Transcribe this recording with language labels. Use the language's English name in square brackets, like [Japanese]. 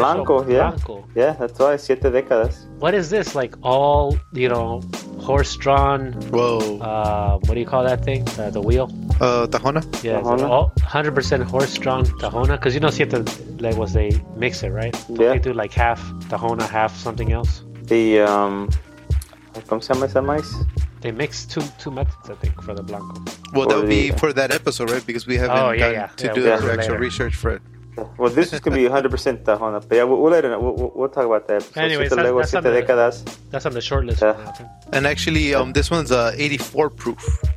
[English] blanco, yeah. Blanco. Yeah, that's why siete décadas. What is this? Like all you know, horse drawn. Whoa. What do you call that thing? The wheel. Tahona? Yeah, Tahona. Like, 100% horse-drawn Tahona? Because you know Siete Leguas, they mix it, right? Yeah. They do like half Tahona, half something else. [Spanish] The, ¿cómo se llama esa maíz? [English] They mix two methods, I think, for the Blanco. Well, or that would be for that episode, right? Because we haven't done actual research for it. Well, this is going to be 100% Tahona. But yeah, we'll let it know. We'll talk about that. So anyway, that's on the short list. Yeah. And actually, this one's 84 proof.